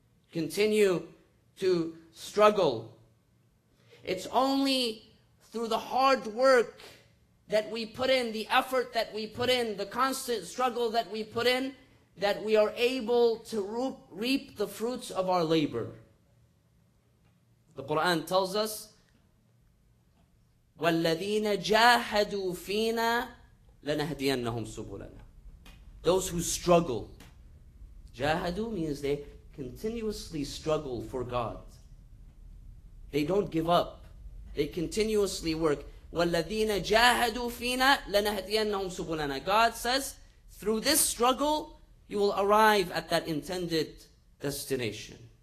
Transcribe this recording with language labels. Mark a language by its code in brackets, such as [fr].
[en] Continue to struggle. It's only through the hard work that we put in, the effort that we put in, the constant struggle that we put in, that we are able to reap the fruits of our labor. The Quran tells us, [ar] وَالَّذِينَ جَاهَدُوا فِينَا لَنَهْدِيَنَّهُمْ سُبُلَنَا. [en] Those who struggle. جَاهَدُوا means they continuously struggle for God. They don't give up. They continuously work. [ar] وَالَّذِينَ جَاهَدُوا فِينَا لَنَهْدِيَنَّهُمْ سُبُلَنَا. [en] God says, through this struggle, you will arrive at that intended destination.